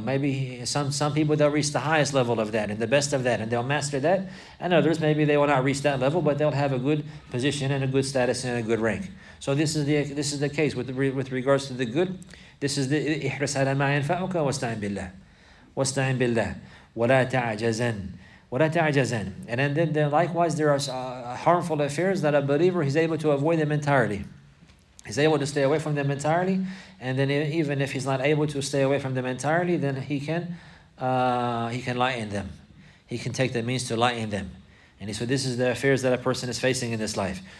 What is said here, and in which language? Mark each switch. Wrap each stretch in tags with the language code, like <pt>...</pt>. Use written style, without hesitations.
<en>Maybe some people, they'll reach the highest level of that and the best of that, and they'll master that. And others, maybe they will not reach that level, but they'll have a good position and a good status and a good rank. So this is the case with regards to the good. This is the</en> <ar>إِحْرِسْ عَلَى مَا يَنْفَعُكَ وَاسْتَعِنْ بِاللَّهِ وَاسْتَعِنْ بِاللَّهِ وَلَا تَعْجَزَنْ.</ar> <en>And then likewise, there are harmful affairs that a believer, he's able to avoid them entirely. He's able to stay away from them entirely. And then even if he's not able to stay away from them entirely, then he can lighten them. He can take the means to lighten them. And so this is the affairs that a person is facing in this life.</en>